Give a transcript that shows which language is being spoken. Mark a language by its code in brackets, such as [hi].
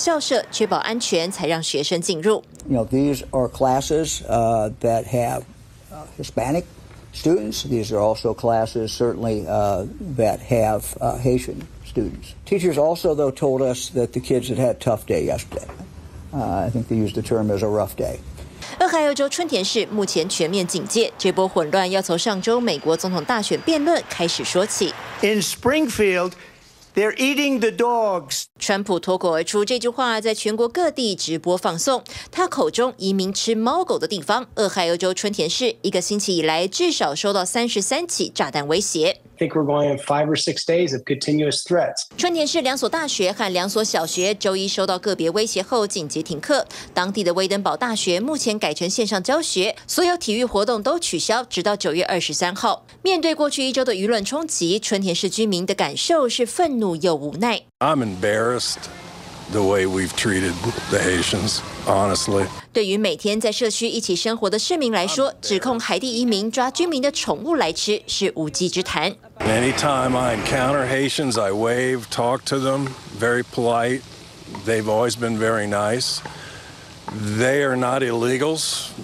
[zh] 春田市这所中学外的道路，17号一早，许多家长开车送孩子来上课。在紧急停课后，俄亥俄州州长下令派驻40名州警进入校园，每天早上搜索校舍，确保安全，才让学生进入。 [en] You know, these are classes that have Hispanic students. These are also classes, certainly, that have Haitian students. Teachers also, though, told us that the kids had had a tough day yesterday. I think they used the term as a rough day. [zh] 俄亥俄州春田市目前全面警戒，这波混乱要从上周美国总统大选辩论开始说起。 [en] In Springfield, They're eating the dogs. [zh] 川普脱口而出这句话，在全国各地直播放送。他口中移民吃猫狗的地方，俄亥俄州春田市，一个星期以来至少收到33起炸弹威胁。 [en] I think we're going to have 5 or 6 days of continuous threats. [zh] 春田市两所大学和两所小学周一收到个别威胁后紧急停课。当地的威登堡大学目前改成线上教学，所有体育活动都取消，直到9月23号。面对过去一周的舆论冲击，春田市居民的感受是愤怒又无奈。 [en] I'm embarrassed the way we've treated the Haitians, honestly. [zh] 对于每天在社区一起生活的市民来说，指控海地移民抓居民的宠物来吃是无稽之谈。 [en] Anytime I encounter Haitians, I wave, talk to them, very polite. They've always been very nice. They are not illegals.